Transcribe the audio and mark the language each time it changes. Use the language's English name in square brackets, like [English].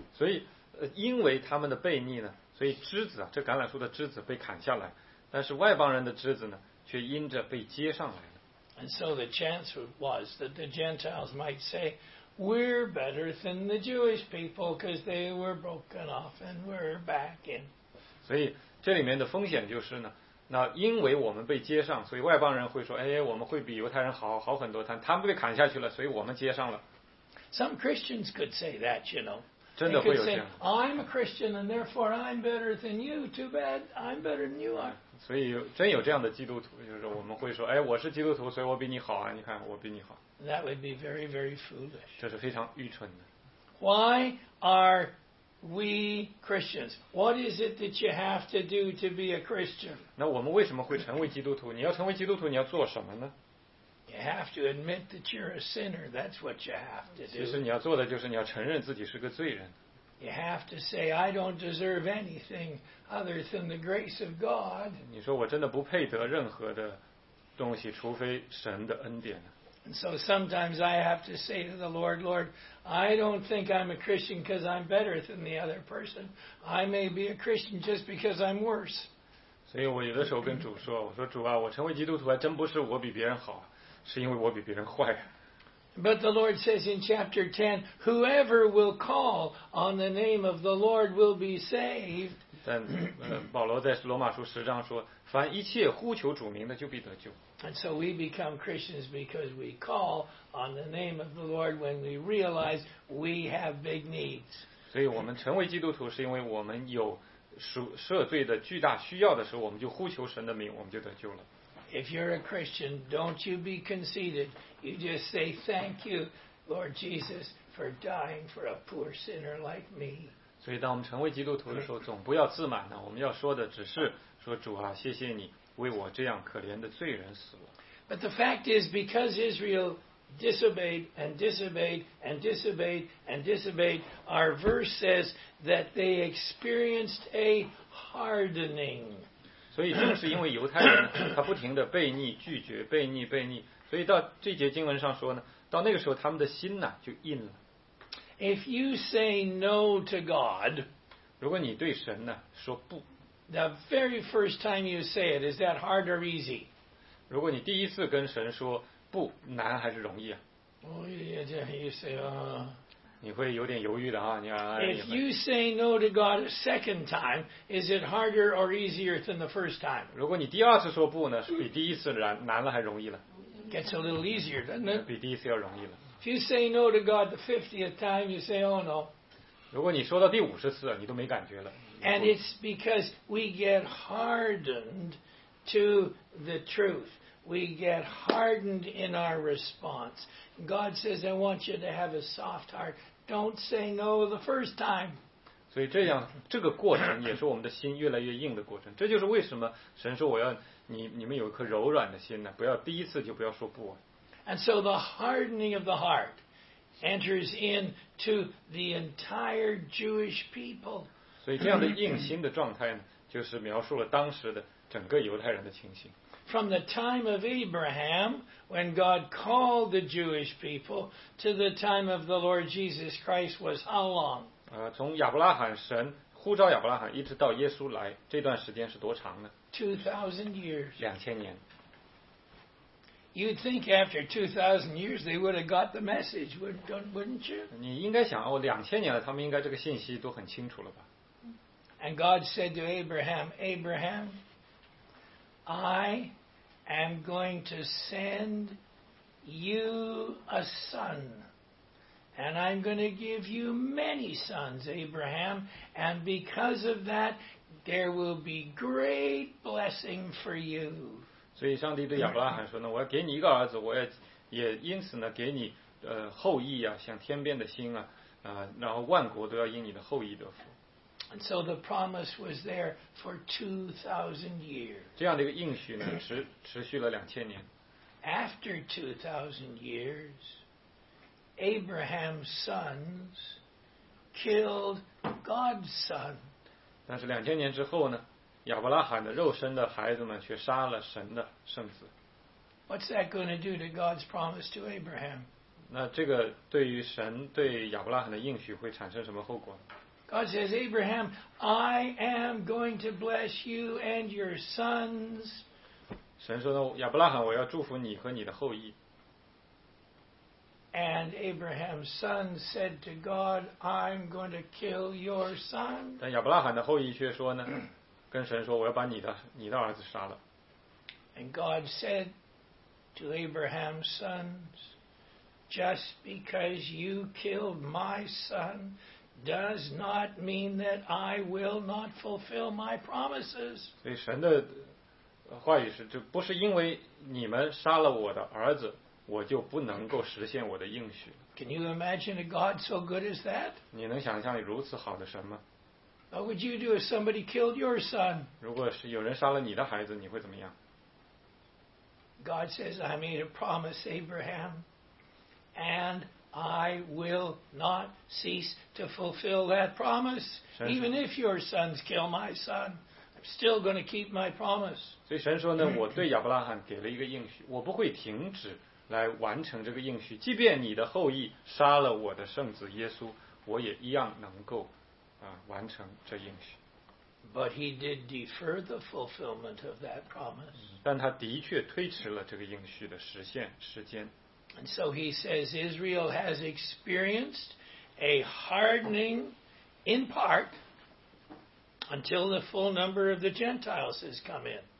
[Chinese] 所以因为他们的悖逆呢，所以枝子啊，这橄榄树的枝子被砍下来，但是外邦人的枝子呢却因着被接上来了。 [English] And so the chance was that the Gentiles might say, we're better than the Jewish people because they were broken off and we're back in. [Chinese] 所以这里面的风险就是呢，那因为我们被接上，所以外邦人会说，哎，我们会比犹太人好，好很多，但他们被砍下去了，所以我们接上了。 [English] Some Christians could say that, you know. [Chinese] 真的会有这样。 [English] They could say, I'm a Christian and therefore I'm better than you. Too bad, I'm better than you are. [Chinese] 所以真有这样的基督徒，就是我们会说，哎，我是基督徒，所以我比你好啊，你看我比你好。 [English] That would be very, very foolish. [Chinese] 这是非常愚蠢的。 [English] Why are we Christians? What is it that you have to do to be a Christian? [Chinese] 那我们为什么会成为基督徒？你要成为基督徒，你要做什么呢？ [English] You have to admit that you're a sinner. That's what you have to do. [Chinese] 其实你要做的就是你要承认自己是个罪人。 [English] You have to say, I don't deserve anything other than the grace of God. [Chinese] 你说我真的不配得任何的东西，除非神的恩典。 [English] And so sometimes I have to say to the Lord, Lord, I don't think I'm a Christian because I'm better than the other person. I may be a Christian just because I'm worse. [Chinese] 所以我有的时候跟主说，我说主啊，我成为基督徒还真不是我比别人好，是因为我比别人坏。 [English] But the Lord says in chapter 10, whoever will call on the name of the Lord will be saved. [Chinese] 但保罗在罗马书十章说，凡一切呼求主名的就必得救。 [English] And so we become Christians because we call on the name of the Lord when we realize we have big needs. [Chinese] 所以我们成为基督徒是因为我们有赦罪的巨大需要的时候，我们就呼求神的名，我们就得救了。 [English] If you're a Christian, don't you be conceited. You just say thank you, Lord Jesus, for dying for a poor sinner like me. [Chinese] 所以当我们成为基督徒的时候，总不要自满呢。我们要说的只是说主啊，谢谢你。为我这样可怜的罪人死了。 [English] But the fact is, because Israel disobeyed and disobeyed and disobeyed and disobeyed, our verse says that they experienced a hardening. [Chinese] 所以正是因为犹太人他不停的悖逆拒绝悖逆悖逆，所以到这节经文上说呢，到那个时候他们的心呢就硬了。 [English] If you say no to God, [Chinese] 如果你对神呢说不。 [English] The very first time you say it, is that hard or easy? [Chinese] 如果你第一次跟神说不，难还是容易啊？ [English] Oh, yeah, you say, [Chinese] 你会有点犹豫的啊，你啊。 [English] If you say no to God a second time, is it harder or easier than the first time? [Chinese] 如果你第二次说不呢，是比第一次难了还容易了？ [English] Gets a little easier, doesn't it? [Chinese] 比第一次要容易了。 [English] If you say no to God the 50th time, you say, oh no. [Chinese] 如果你说到第五十次，你都没感觉了。 [English] And it's because we get hardened to the truth. we get hardened in our response. God says, I want you to have a soft heart. Don't say no the first time. [Chinese] 所以这样，这个过程也是我们的心越来越硬的过程。这就是为什么神说我要你们有一颗柔软的心呢？不要第一次就不要说不。 [English] And so the hardening of the heart enters into the entire Jewish people. [Chinese] 所以这样的硬心的状态呢，就是描述了当时的整个犹太人的情形。 [English] From the time of Abraham, when God called the Jewish people, to the time of the Lord Jesus Christ was how long? [Chinese] 从亚伯拉罕神呼召亚伯拉罕一直到耶稣来，这段时间是多长呢？ [English] 2,000 years. [Chinese] 2,000 年。 [English] You'd think after 2,000 years they would have got the message, wouldn't you? [Chinese] 你应该想，2,000 年了，他们应该这个信息都很清楚了吧？ [English] And God said to Abraham, Abraham,I am going to send you a son, and I'm going to give you many sons, Abraham, and because of that, there will be great blessing for you. [Chinese] 所以上帝对亚伯拉罕说呢，我要给你一个儿子，我要也因此呢给你后裔啊，像天边的星啊，然后万国都要因你的后裔得福。 [English] And so the promise was there for 2,000 years. [Chinese] 这样的一个应许呢，持续了两千年。 [English] After 2,000 years, Abraham's sons killed God's son. [Chinese] 但是两千年之后呢，亚伯拉罕的肉身的孩子们却杀了神的圣子。 [English] What's that going to do to God's promise to Abraham? [Chinese] 那这个对于神对亚伯拉罕的应许会产生什么后果？ [English] God says, Abraham, I am going to bless you and your sons. [Chinese] 神说呢，亚伯拉罕，我要祝福你和你的后裔。 [English] And Abraham's son said to God, I'm going to kill your son. [Chinese] 但亚伯拉罕的后裔却说呢，跟神说，我要把你的儿子杀了。 [English] And God said to Abraham's sons, just because you killed my son,does not mean that I will not fulfill my promises. [Chinese] 所以神的话语是，这不是因为你们杀了我的儿子，我就不能够实现我的应许。 [English] Can you imagine a God so good as that? [Chinese] 你能想象如此好的神吗？ [English] What would you do if somebody killed your son? [Chinese] 如果是有人杀了你的孩子，你会怎么样？ [English] God says, I made a promise, Abraham, and I will not cease to fulfill that promise. Even if your sons kill my son, I'm still going to keep my promise. [Chinese] 所以神说呢，我对亚伯拉罕给了一个应许，我不会停止来完成这个应许。即便你的后裔杀了我的圣子耶稣，我也一样能够完成这应许。 [English] But he did defer the fulfillment of that promise. [Chinese] 但他的确推迟了这个应许的实现时间。 [English] And so he says Israel has experienced a hardening in part until the full number of the Gentiles has come in.